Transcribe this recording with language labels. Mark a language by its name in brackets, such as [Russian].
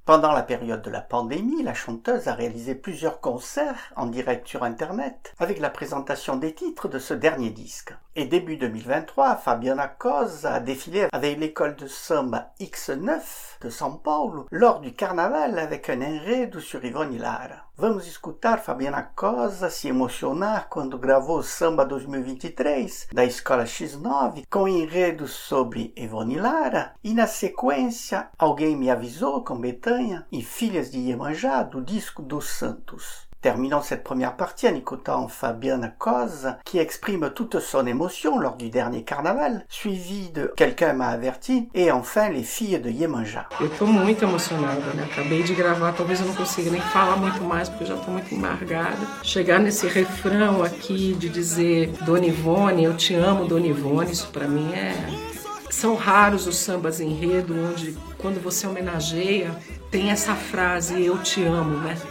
[French] Pendant la période de la pandémie, la chanteuse a réalisé plusieurs concerts en direct sur internet avec la présentation des titres de ce dernier disque. Et début 2023, Fabiana Cosa a défilé avec l'école de samba X9 de São Paulo lors du carnaval avec un enredo sur Ivone Hilara. [Portuguese] Vamos escutar Fabiana Cosa se emocionar quando gravou Samba 2023 da Escola X9 com enredo sobre Ivone Hilara e na sequência Alguém Me Avisou com Betânia e Filhas de Iemanjá do disco dos Santos. [French] Terminons cette première partie en écoutant Fabiana Cosa qui exprime toute son émotion lors du dernier carnaval, suivi de Quelqu'un m'a averti et enfin Les filles de Iemanjá. [Portuguese] Eu tô muito emocionada, né? Acabei de gravar, talvez eu não consiga nem falar muito mais porque eu já tô muito embargada. Chegar nesse refrão aqui de dizer Dona Ivone, eu te amo, Dona Ivone, isso pra mim é... São raros os sambas enredo onde quando você homenageia tem essa frase, eu te amo, né?